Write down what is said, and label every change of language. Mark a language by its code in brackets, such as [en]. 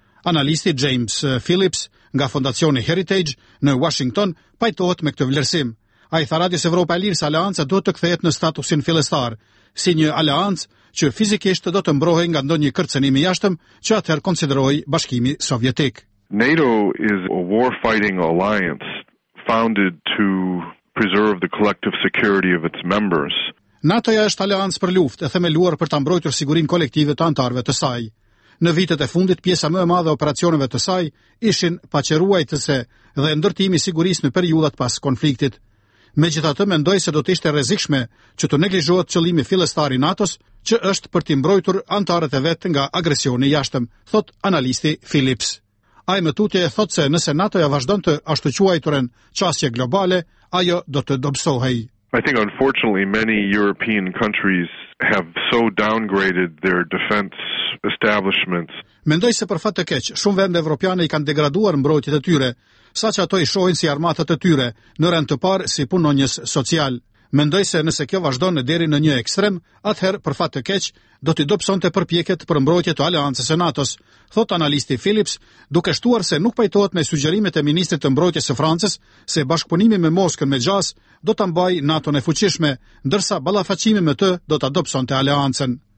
[sq] Analisti James Phillips nga Fondacioni Heritage në Washington pajtohet me këtë vlerësim. Ai tha Radios Evropa e Lirë se aleanca do të kthehet në statusin fillestar, si një aleancë që fizikisht do të mbrohej nga ndonjë kërcënim i jashtëm që atëherë konsideroi Bashkimi Sovjetik. [en] NATO is a war-fighting alliance founded to preserve the collective security of its members. [sq] NATO-ja është aleancë për luftë e themeluar për ta mbrojtur sigurinë kolektive të anëtarëve të saj. Në vitet e fundit, pjesa më e madhe operacioneve të saj ishin paqëruajtëse dhe ndërtimi sigurisë në periudhat pas konfliktit. Megjithatë, mendoj se do të ishte rrezikshme që të neglizhohet qëllimi fillestar i NATO-s, që është për të mbrojtur anëtarët e vet nga agresioni i jashtëm, thot analisti Phillips. Ai më tutje thot se nëse NATO-ja vazhdon të ashtuquajturen çasje globale, ajo do të dobësohej. [en] I think unfortunately many European countries have so downgraded their defense establishments. [sq] Mendoj se për fat të keq, shumë vende evropiane i kanë degraduar mbrojtjet e tyre, saqë ato i shohin si armatat e tyre, në rend të parë si punonjës social. Mendoj se nëse kjo vazhdon në deri në një ekstrem, atëherë për fat të keq, do t'i dobësonte përpjekjet për mbrojtje të aleancës e NATO-s, thot analisti Phillips, duke shtuar se nuk pajtohet me sugjerimet e ministrit të mbrojtjes së Francës se bashkëpunimi me Moskën me gjas do ta mbajë NATO-n e fuqishme, ndërsa ballafaqimi me të do ta dobësonte aleancën.